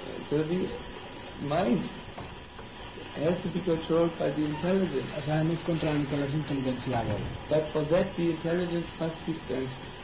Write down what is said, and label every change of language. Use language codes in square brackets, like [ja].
[en] So the mind has to be controlled by the intelligence. [hu] Az elmét kontrollálni kell az intelligenciával. [en] But for that the intelligence must be strengthened.